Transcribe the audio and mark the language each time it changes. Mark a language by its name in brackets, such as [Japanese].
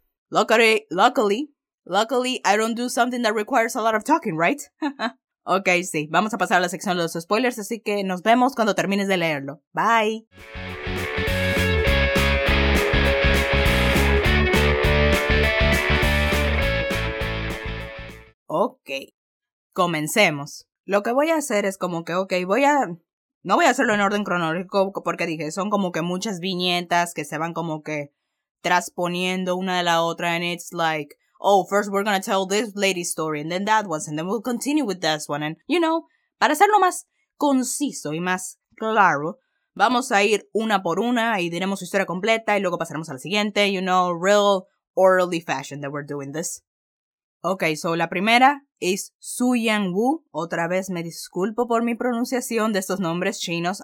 [English] Luckily, I don't do something that requires a lot of talking, right? [Spanish] Okay, sí. Vamos a pasar a la sección de los spoilers, así que nos vemos cuando termines de leerlo. Bye. Ok, comencemos. Lo que voy a hacer es como que, ok, no voy a hacerlo en orden cronológico porque dije, son como que muchas viñetas que se van como que transponiendo una de la otra. [English] And it's like, oh, first we're gonna tell this lady's story and then that one's and then we'll continue with this one. And, you know, [Spanish] para hacerlo más conciso y más claro, vamos a ir una por una y diremos su historia completa y luego pasaremos a la siguiente, [English] you know, real orderly fashion that we're doing this. Okay, so [Spanish] la primera es Su Yan Wu. Otra vez me disculpo por mi pronunciación de estos nombres chinos.